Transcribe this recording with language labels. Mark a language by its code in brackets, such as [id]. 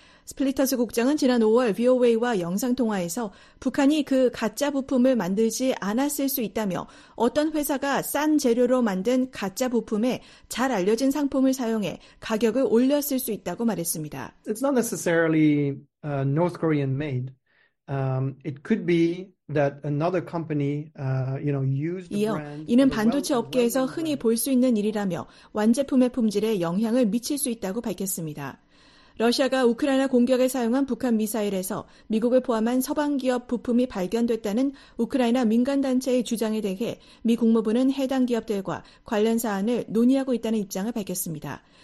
[ko] 스플리터스 국장은 지난 5월 VOA와 영상통화에서 북한이 그 가짜 부품을 만들지 않았을 수 있다며 어떤 회사가 싼 재료로 만든 가짜 부품에 잘 알려진 상품을 사용해 가격을 올렸을 수 있다고 말했습니다. [en] It's not necessarily North Korean made. It could be that another company, you know, used the brand. [ko] 이는 반도체 업계에서 흔히 볼 수 있는 일이라며 완제품의 품질에 영향을 미칠 수 있다고 밝혔습니다. 러시아가 우크라이나 공격에 사용한 북한 미사일에서 미국을 포함한 서방 기업 부품이 발견됐다는 우크라이나 민간단체의 주장에 대해 미 국무부는 해당 기업들과 관련 사안을 논의하고 있다는 입장을 밝혔습니다.